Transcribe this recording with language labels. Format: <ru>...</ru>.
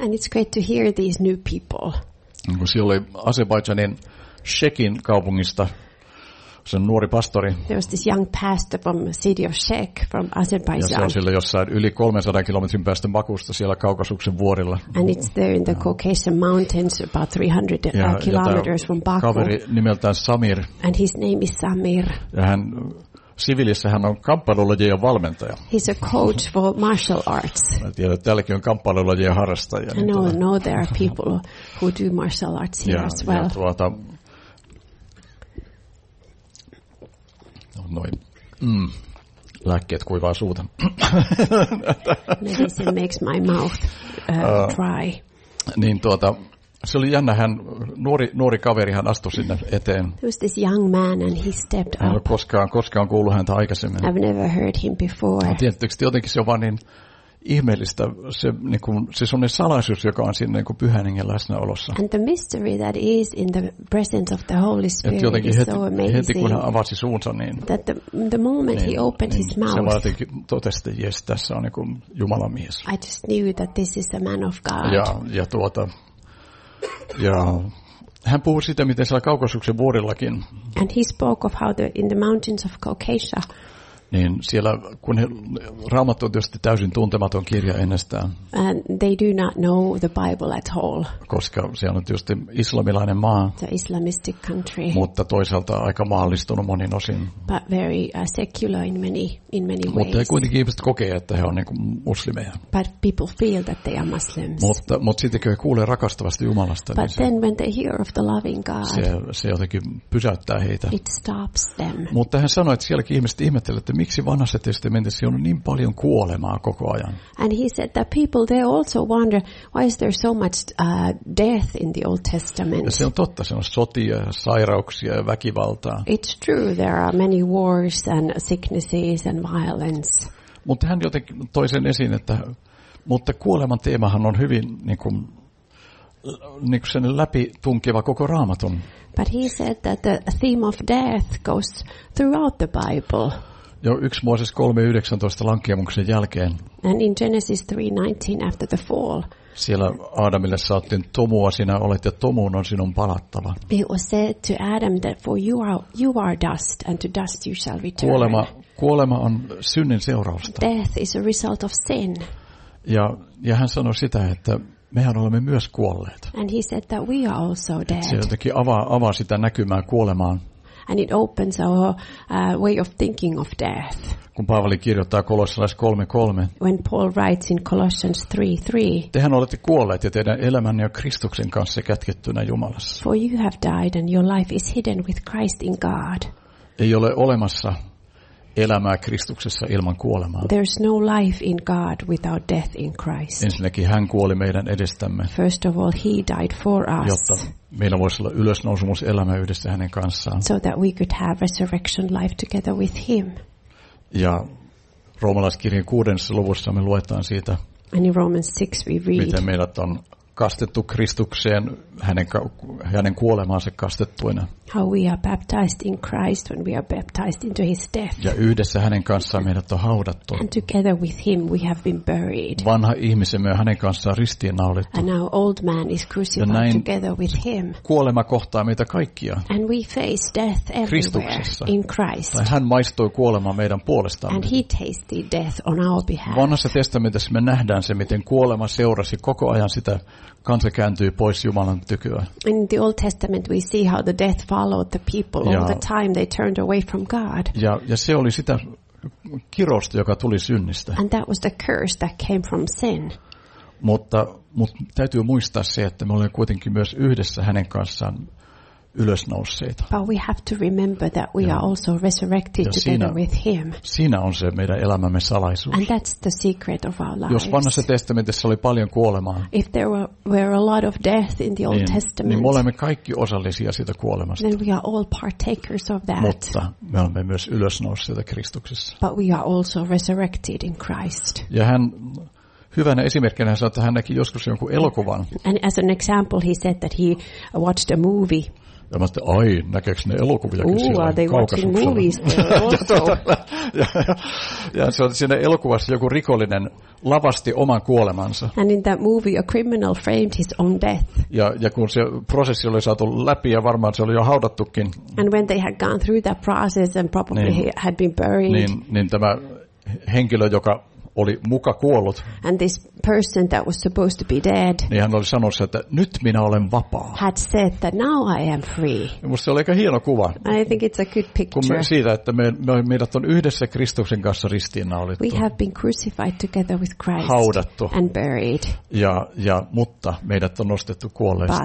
<en>And it's great to hear these new people.</en> <fi>Kun siellä oli Azerbaijanin Shekin kaupungista sen nuori pastori.</fi> <en>There was this young pastor from the city of Shek from Azerbaijan.</en> <fi>Ja se on siellä jossain yli 300 kilometrin päästä Bakusta siellä Kaukasuksen vuorilla.</fi> <en>And it's there in the Caucasian mountains about 300 kilometers from Baku.</en> <fi>Kaveri nimeltään Samir.</fi> <en>And his name is Samir.</en> <fi>Ja hän siviilissä hän on kamppailulajien valmentaja.</fi> <en>He's a coach for martial arts.</en> <fi>Mä tiedän, että täälläkin on kamppailulajien harrastaja.</fi> <en>I know, there are people who do martial arts here as well.</en> <fi>Ja tuota, noin. Mm. Lääkkeet kuivaa suuta.</fi> <en>Medicine makes my mouth dry.</en> <fi>Niin tuota, se oli jännä, hän nuori kaveri, hän astui sinne eteen.</fi> <en>It was this young man and he stepped up.</en> <fi>En ole koskaan kuullut häntä aikaisemmin.</fi> <en>I've never heard him before.</en> <fi>Tietysti jotenkin se on vaan niin ihmeellistä, se niin kuin se sellainen salaisuus, joka on siinä niin kuin Pyhän Hengen läsnäolossa.</fi> <en>And the mystery that is in the presence of the Holy Spirit</en> <fi>jotenkin</fi> <en>is so amazing.</en> <fi>Heti kun hän avasi suunsa, niin</fi> <en>that the moment he opened his mouth.</en> <fi>Se vaan jotenkin totesi, että jes, tässä on niin kuin Jumalan mies.</fi> <en>I just knew that this is the man of God.</en> <fi>Ja tuota, ja hän puhui siitä, miten siellä Kaukasuksen vuorillakin</fi> <en>and he spoke of how in the mountains of Caucasia</en> <fi>niin siellä kun he, Raamattu on tietysti täysin tuntematon kirja ennestään.</fi> <en>And they do not know the Bible at all.</en> <fi>Koska siellä on tietysti islamilainen maa.</fi> <en>The Islamistic country.</en> <fi>Mutta toisaalta aika maallistunut monin osin.</fi> <en>But very secular in many ways.</en> <fi>Mutta he kuitenkin ihmiset kokee, että he on niin kuin muslimeja.</fi> <en>But people feel that they are Muslims.</en> <fi>Mutta sitten kun he kuulee rakastavasti Jumalasta,</fi> <en>but niin then when they hear of the loving God,</en> <fi>se jotenkin pysäyttää heitä.</fi> <en>It stops them.</en> <fi>Mutta hän sanoi, että sielläkin ihmiset ihmettelevät, että miksi vanhassa testamentissa on niin paljon kuolemaa koko ajan.</fi> <en>And he said that people they also wonder why is there so much death in the Old Testament.</en> <fi>Ja se on totta, se on sotia, sairauksia ja väkivaltaa.</fi> <en>It's true there are many wars and sicknesses and violence.</en> <fi>Mutta hän jotenkin toi sen esiin, että mutta kuoleman teemahan on hyvin niin kuin sen läpi tunkeva koko Raamatun.</fi> <en>But he said that the theme of death goes throughout the Bible.</en> <fi>Jo 1 Mooses 3:19 lankeamuksen jälkeen.</fi> <en>And in Genesis 3:19 after the fall.</en> <fi>Siellä Aadamille sanottiin, tomua sinä olet ja tomuun on sinun palattava.</fi> <en>It was said to Adam that for you are dust and to dust you shall return.</en> <fi>Kuolema on synnin seurausta.</fi> <en>Death is a result of sin.</en> <fi>Ja hän sanoi sitä, että mehän olemme myös kuolleet.</fi> <en>And he said that we are also dead.</en> <fi>Se jotenkin avaa sitä näkymää kuolemaan.</fi> <en>And it opens our way of thinking of death.</en> <fi>Kun Paavali kirjoittaa Kolossalaiskirjeen 3:3.</fi> <en>When Paul writes in Colossians 3:3.</en> <fi>Tehän olette kuolleet ja teidän elämänne on Kristuksen kanssa kätkettynä Jumalassa.</fi> <en>For you have died and your life is hidden with Christ in God.</en> <fi>Ei ole olemassa elämää Kristuksessa ilman kuolemaa.</fi> <en>There's no life in God without death in Christ.</en> <fi>Ensinnäkin hän kuoli meidän edestämme.</fi> <en>First of all, he died for us.</en> <fi>Jotta meillä voisi olla ylösnousumuselämä yhdessä hänen kanssaan.</fi> <en>So that we could have resurrection life together with him.</en> <fi>Ja Roomalaiskirjeen 6. luvussa me luetaan siitä.</fi> <en>And in Romans 6 we read.</en> <fi>Miten meidät on kastettu Kristukseen hänen kuolemaansa kastettuina.</fi> <en>How we are baptized in Christ when we are baptized into his death.</en> <fi>Ja yhdessä hänen kanssaan meidät on haudattu.</fi> <en>And together with him we have been buried.</en> <fi>Vanha ihmisemme on hänen kanssaan ristiinnaulittu.</fi> <en>And our old man is crucified together with him.</en> <fi>Kuolema kohtaa meitä kaikkia.</fi> <en>And we face death everywhere in Christ.</en> <fi>Tai hän maistoi kuolemaa meidän puolestamme.</fi> <en>And he tasted death on our behalf.</en> <fi>Vanhassa testamentissa me nähdään se, miten kuolema seurasi koko ajan sitä kansa kääntyy pois Jumalan tyköä.</fi> <en>In the Old Testament we see how the death followed the people all the time they turned away from God.</en> <fi>Ja se oli sitä kirosta, joka tuli synnistä.</fi> <en>And that was the curse that came from sin.</en> <fi>Mutta täytyy muistaa se, että me olemme kuitenkin myös yhdessä hänen kanssaan ylösnousseita.</fi> <en>But we have to remember that we are also resurrected together with him.</en> <fi>Siinä on se meidän elämämme salaisuus.</fi> <en>And that's the secret of our lives.</en> <fi>Jos vanhassa testamentissa oli paljon kuolemaa.</fi> <en>If there were a lot of death in the Old Testament.</en> <fi>Niin me olemme kaikki osallisia siitä kuolemasta.</fi> <en>Then we are all partakers of that.</en> <fi>Mutta me olemme myös ylösnousseita Kristuksessa.</fi> <en>But we are also resurrected in Christ.</en> <fi>Ja hän hyvänä esimerkkinä hän sanoi, että hän näki joskus jonkun elokuvan.</fi> <en>And as an example he said that he watched a movie.</en> <fi>Ja mä ajattelin, ai, näkeekö ne elokuviakin siellä kaukasuksella? Ja se on siinä elokuvassa joku rikollinen lavasti oman kuolemansa.</fi> <en>And in that movie a criminal framed his own death.</en> <fi>Ja kun se prosessi oli saatu läpi ja varmaan se oli jo haudattukin.</fi> <en>And when they had gone through that process and probably he had been buried.</en> <fi>Niin tämä henkilö, joka oli muka kuollut.</fi> <en>And this person that was supposed to be dead.</en> <fi>Niin hän oli sanonut, että nyt minä olen vapaa.</fi> <en>Had said that now I am free.</en> <fi>Musta se oli aika hieno kuva.</fi> <en>I think it's a good picture.</en> <fi>Kun siitä, että meidät on yhdessä Kristuksen kanssa ristiinnaulittu.</fi> <en>We have been crucified together with Christ.</en> <fi>Haudattu.</fi> <en>And buried.</en> <fi>Ja mutta meidät on nostettu kuolleista.</fi>